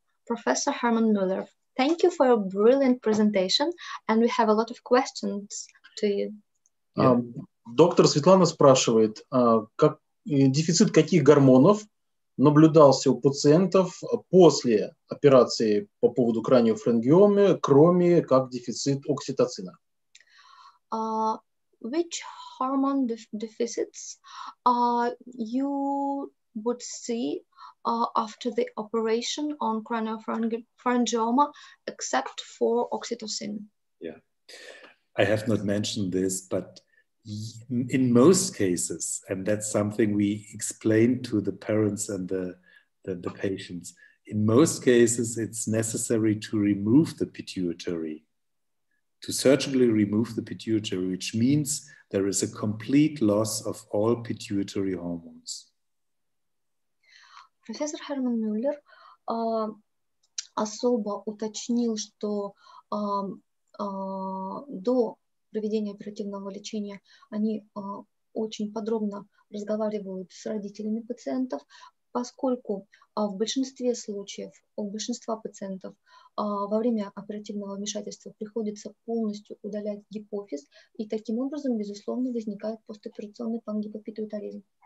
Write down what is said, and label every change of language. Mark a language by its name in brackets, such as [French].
[English] Professor Herman Müller, thank you for your brilliant presentation, and we have a lot of questions to you. [Russian] Доктор Светлана спрашивает, как дефицит каких гормонов наблюдался у пациентов после операции по поводу краниофарингиомы, кроме как дефицит окситоцина? [English] Which hormone deficits you would see after the operation on craniopharyngioma, except for oxytocin? Yeah, I have not mentioned this, but in most cases, and that's something we explain to the parents and the patients, in most cases it's necessary to remove the pituitary, to surgically remove the pituitary, which means there is a complete loss of all pituitary hormones. [Russian] Профессор Херман Мюллер особо уточнил, что до проведения оперативного лечения они очень подробно разговаривают с родителями пациентов, поскольку в большинстве случаев у большинства пациентов во время оперативного вмешательства приходится полностью удалять гипофиз, и таким образом, безусловно, возникает постоперационный пангипопитуитаризм.